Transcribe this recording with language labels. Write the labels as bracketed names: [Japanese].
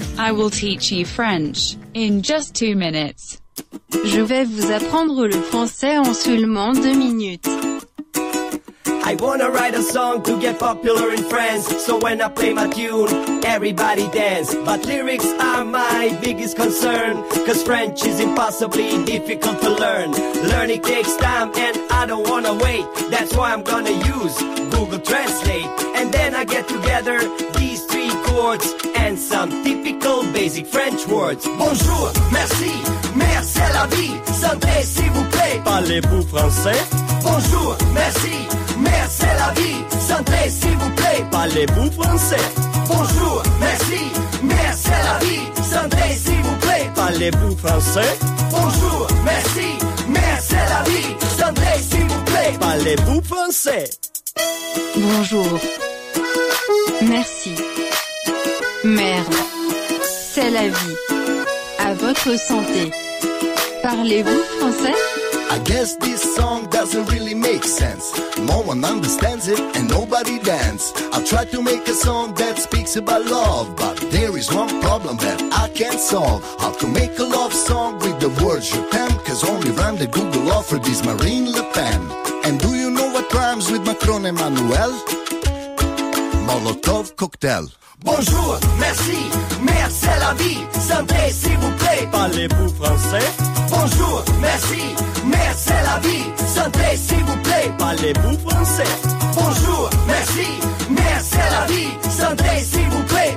[English] I will teach you French in just 2 minutes. [French] Je vais vous apprendre le français en seulement 2 minutes. [English] I wanna write a song to get popular in France. So when I play my tune, everybody dance. But lyrics are my biggest concern, 'cause French is impossibly difficult to learn. Learning takes time and I don't wanna wait. That's why I'm gonna use Google Translate. And then I get together these three chords and some typical basic French words. [French] Bonjour, merci, merci la vie, santé s'il vous plaît. Parlez-vous français? Bonjour, merci, merci la vie, santé s'il vous plaît. Parlez-vous français? Bonjour, merci, merci la vie, santé s'il vous plaît. Parlez-vous français? Bonjour, merci, merci la vie, santé s'il vous plaît. Parlez-vous français? Bonjour, merci. Merde, c'est la vie. À votre santé. Parlez-vous français? [English] I guess this song doesn't really make sense. No one understands it and nobody dance. I try to make a song that speaks about love, but there is one problem that I can't solve. How to make a love song with the words je t'aime? 'Cause only rhyme that Google offered is Marine Le Pen. And do you know what rhymes with Macron Emmanuel? Molotov cocktail. [French] Bonjour, merci, merci la vie, santé s'il vous plaît. Parlez-vous français? Bonjour, merci, merci la vie, santé s'il vous plaît. Parlez-vous français? Bonjour, merci, merci la vie, santé s'il vous plaît.